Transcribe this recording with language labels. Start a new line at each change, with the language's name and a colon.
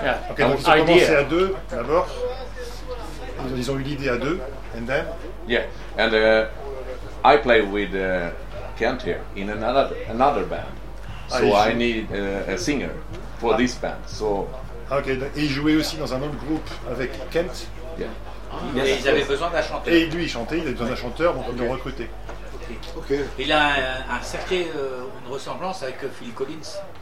French: Okay, donc ils ont commencé à deux d'abord. Ils ont eu l'idée à deux,
English: and then? Yeah, and I play with Kent here in another band, so I need a singer for this band. So
French: okay, he jouait aussi dans un autre groupe avec Kent.
English: Yeah.
French: Et ils avaient besoin d'un chanteur. Et lui, il chantait. Il avait besoin d'un chanteur, donc ils l'ont recruté.
English: Okay.
French: Il a un certain une ressemblance avec Phil Collins.